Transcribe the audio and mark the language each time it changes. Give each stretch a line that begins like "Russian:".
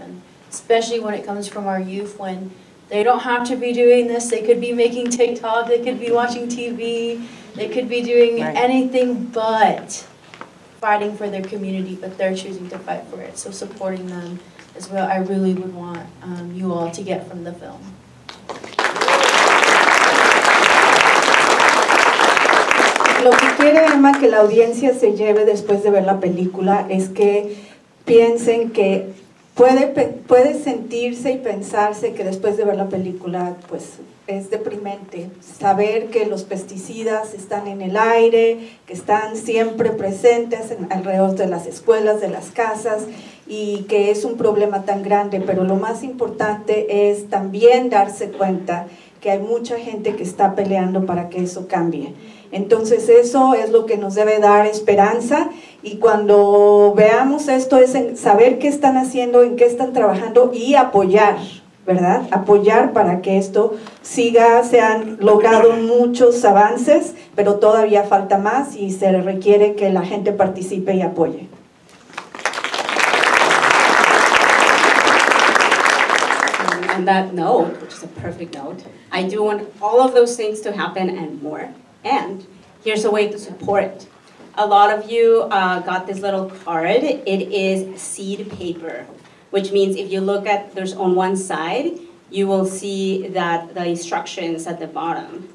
English: And especially when it comes from our youth, when they don't have to be doing this, they could be making TikTok, they could be watching TV, they could be doing right. Anything but fighting for their community, but they're choosing to fight for it. So supporting them is what I really would want you all to get from the film.
Spanish: Lo que quiere Emma que la audiencia se lleve después de ver la película es que piensen que puede sentirse y pensarse que después de ver la película pues es deprimente saber que los pesticidas están en el aire, que están siempre presentes alrededor de las escuelas, de las casas, y que es un problema tan grande. Pero lo más importante es también darse cuenta que hay mucha gente que está peleando para que eso cambie. Entonces eso es lo que nos debe dar esperanza, y cuando veamos esto es en saber qué están haciendo, en qué están trabajando y apoyar, ¿verdad? Apoyar para que esto siga, se han logrado muchos avances, pero todavía falta más y se requiere que la gente participe y apoye.
English: On that note, which is a perfect note, I do want all of those things to happen and more. And here's a way to support. A lot of you got this little card. It is seed paper, which means if you look at, there's on one side, you will see that the instructions at the bottom.